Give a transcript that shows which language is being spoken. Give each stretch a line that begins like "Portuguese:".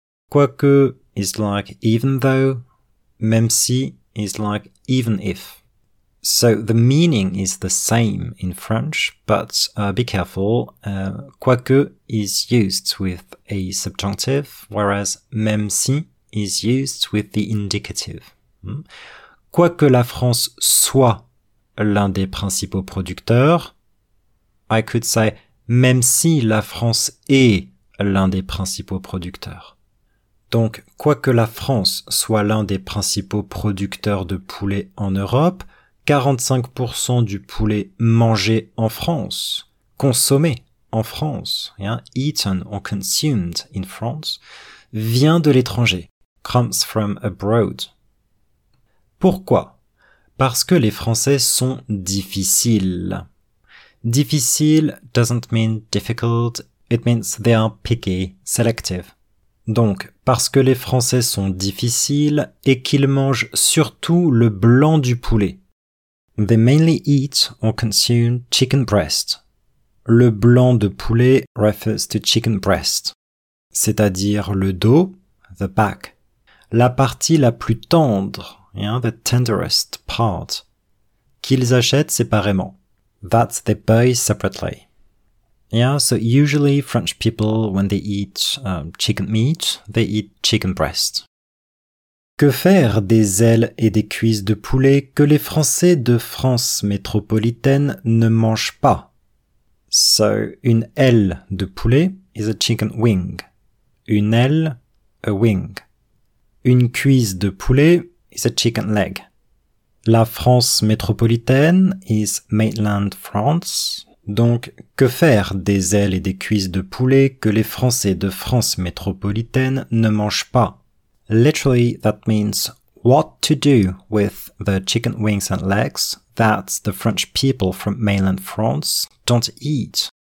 English: Quoique is like even though, même si is like even if. So the meaning is the same in French, but be careful, quoique is used with a subjonctive, whereas même si is used with the indicative.
French: Quoique la France soit l'un des principaux producteurs,
English: I could say
French: même si la France est l'un des principaux producteurs. Donc, quoique la France soit l'un des principaux producteurs de poulet en Europe, 45% du poulet mangé en France, consommé en France,
English: eaten or consumed in France,
French: vient de l'étranger,
English: comes from abroad.
French: Pourquoi? Parce que les Français sont difficiles.
English: Difficile doesn't mean difficult, it means they are picky, selective.
French: Donc, parce que les Français sont difficiles et qu'ils mangent surtout le blanc du poulet.
English: They mainly eat or consume chicken breast.
French: Le blanc de poulet
English: refers to chicken breast,
French: c'est-à-dire le dos,
English: the back,
French: la partie la plus tendre,
English: the tenderest part,
French: qu'ils achètent séparément.
English: That they buy separately. Yeah, so usually French people, when they eat chicken meat, they eat chicken breast.
French: Que faire des ailes et des cuisses de poulet que les Français de France métropolitaine ne mangent pas?
English: So,
French: une aile de poulet
English: is a chicken wing.
French: Une aile,
English: a wing.
French: Une cuisse de poulet
English: is a chicken leg. La France métropolitaine is mainland France.
French: Donc, que faire des ailes et des cuisses de poulet que les Français de France métropolitaine ne mangent pas?
English: Literally, that means what to do with the chicken wings and legs that the French people from mainland France don't eat.